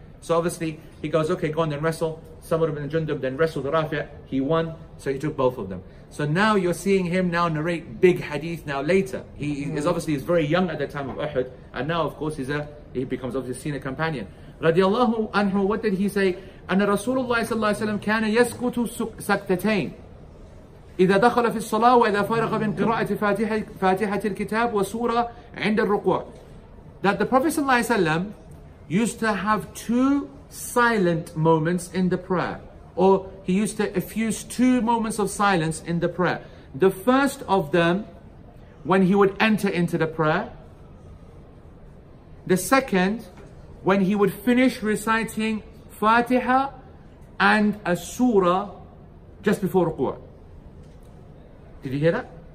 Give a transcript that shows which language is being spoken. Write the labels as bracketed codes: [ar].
[en] So obviously he goes, okay, go on then wrestle Samur ibn Jundub, then wrestled Rafi'. He won, so he took both of them. So now you're seeing him now narrate big hadith now later. He is obviously, he's very young at the time of Uhud, and now of course he becomes obviously a senior companion. Radiallahu anhu, what did he say? [ar] أن رسول الله صلى الله عليه وسلم كان يسكت سكتتين إذا دخل في الصلاة وإذا فارغ من قراءة فاتحة الكتاب وسورة عند الركوع. [en] That the Prophet [ar] صلى الله عليه وسلم [en] used to have two silent moments in the prayer, or he used to effuse two moments of silence in the prayer. The first of them when he would enter into the prayer, the second when he would finish reciting Fatiha and a surah just before ruku'. Did you hear that?